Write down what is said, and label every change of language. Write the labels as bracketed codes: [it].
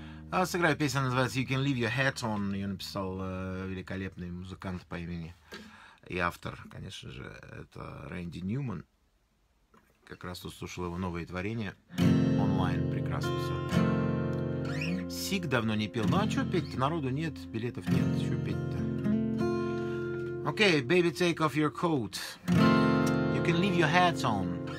[ru] А сыграю песню, называется You Can Leave Your Hat On. Ее написал великолепный музыкант по имени и автор, конечно же, это Рэнди Ньюман. Как раз услышал его новое творение онлайн. Прекрасно все. Сиг давно не пел. Ну а чё петь-то? Народу нет, билетов нет. Чё петь-то? [en] Окей, okay, baby, take off your coat. You can leave your hat on.